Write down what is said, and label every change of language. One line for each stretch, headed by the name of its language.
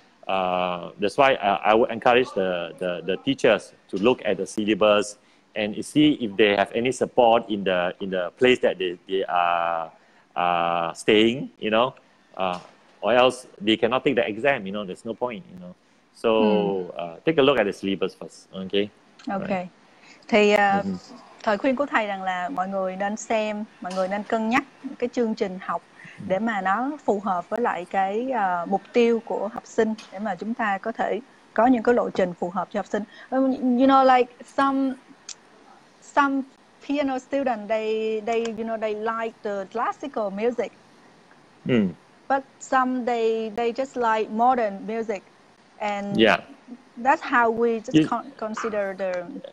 English: That's why I would encourage the teachers to look at the syllabus and see if they have any support in the place that they are staying, you know, or else they cannot take the exam, you know, there's no point, you know. So take a look at the syllabus first, okay? Okay. Right.
Vietnamese: Thì thời khuyên của thầy rằng là mọi người nên xem, mọi người nên cân nhắc cái chương trình học để mà nó phù hợp với lại cái mục tiêu của học sinh, để mà chúng ta có thể có những cái lộ trình phù hợp cho học sinh.
English: You know, like some piano student, they you know, they like the classical music. Mm. But some they just like modern music. And yeah, that's how we just consider the...